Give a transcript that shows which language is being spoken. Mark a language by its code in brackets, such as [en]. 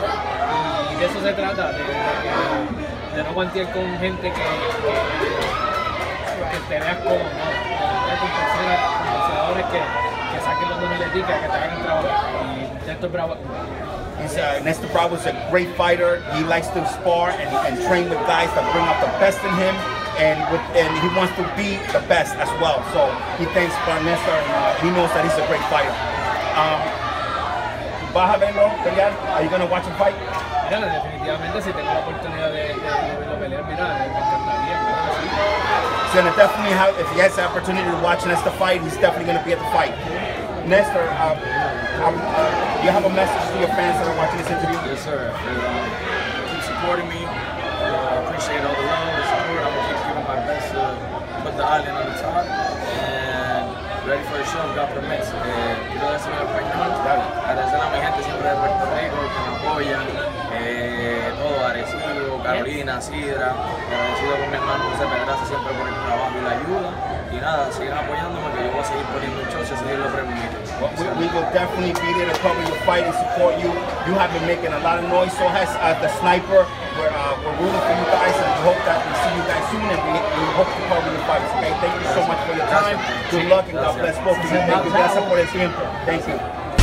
[es] Y de eso se trata, de no guantear con gente que te veas como, ¿no? Que te veas con personas, que saquen los números de ti, que te hagan el trabajo. Y Nestor Bravo. [en] Nestor Bravo is a great fighter. He likes to spar and train with guys that bring out the best in him, and he wants to be the best as well. So he thanks for Nestor, and he knows that he's a great fighter. [es] ¿Vas a verlo pelear? [en] Are you going to watch him fight? [es] Mira, definitivamente, si tengo la oportunidad de verlo pelear, mira, me encantaría. [en] If he has the opportunity to watch Nestor fight, he's definitely going to be at the fight. Nestor, do you have a message to your fans that are watching this interview? Yes, sir. Keep supporting me. I appreciate all the love and support. I'm going to keep giving my best to put the island on the top. And ready for the show, God permits. [es] Quiero decirle a Peñón, agradecer a mi gente siempre de Puerto Rico, que me apoyan. Todo, Arecibo, Carolina, Sidra. Agradecido con mi hermano, José Pedraza, siempre por el trabajo y la ayuda. Y nada, sigan apoyándome, que yo voy a seguir poniendo shows y seguirlo premiando. [en] Well, we will definitely be there to cover your fight and support you. You have been making a lot of noise, so has the sniper. We're rooting for you guys, and we hope that we see you guys soon, and we hope to cover your fights. Okay, thank you so much for your time. Good luck, and God bless both of you. Thank you, [es] gracias por el tiempo. [en] Thank you.